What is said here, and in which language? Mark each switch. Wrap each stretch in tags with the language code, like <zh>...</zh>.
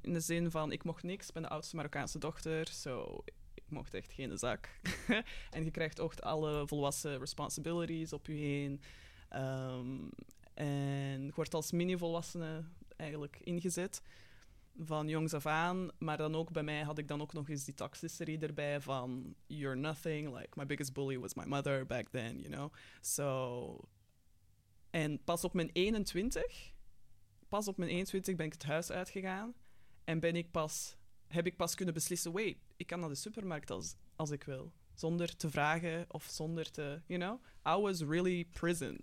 <nl>In de zin van, ik mocht niks. Ik ben de oudste Marokkaanse dochter. So, ik mocht echt geen zak. En je krijgt ook alle volwassen responsibilities op je heen. En je wordt als mini-volwassene eigenlijk ingezet. Van jongs af aan. Maar dan ook bij mij had ik dan ook nog eens die toxicity erbij van...</nl> <en>You're nothing. Like, my biggest bully was my mother back then, you know. So...</en> <nl>En pas op mijn 21, ben ik het huis uitgegaan. En ben ik pas, heb ik pas kunnen beslissen, wait, ik kan naar de supermarkt als ik wil. Zonder te vragen of zonder te,</nl> <en>you know. I was really prison.</en>